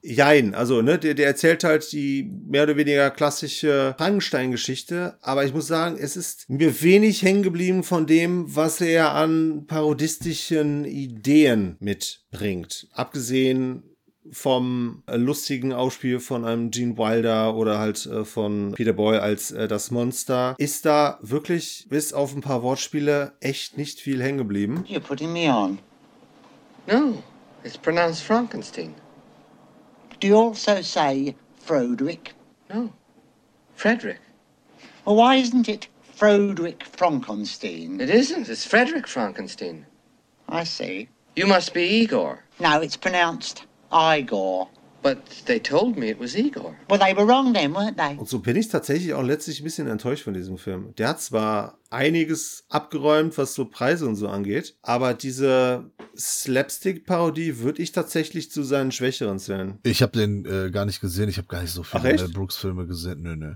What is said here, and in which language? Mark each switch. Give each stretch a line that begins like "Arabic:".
German: Jein, also ne, der erzählt halt die mehr oder weniger klassische Frankenstein-Geschichte, aber ich muss sagen, es ist mir wenig hängen geblieben von dem, was er an parodistischen Ideen mitbringt. Abgesehen vom lustigen Ausspiel von einem Gene Wilder oder halt von Peter Boyle als das Monster, ist da wirklich bis auf ein paar Wortspiele echt nicht viel hängen geblieben.
English: You're putting me on. No, it's pronounced Frankenstein. Do you also say Frederick? No, Frederick. Well, why isn't it Frederick Frankenstein? It isn't, it's Frederick Frankenstein. I see. You must be Igor. No, it's pronounced Igor. But they told me it was Igor. Well, they were wrong then, weren't they?
German: Und so bin ich tatsächlich auch letztlich ein bisschen enttäuscht von diesem Film. Der hat zwar einiges abgeräumt, was so Preise und so angeht, aber diese Slapstick-Parodie würde ich tatsächlich zu seinen Schwächeren zählen. Ich habe den gar nicht gesehen, ich habe gar nicht so viele Mel Brooks-Filme gesehen. Nö.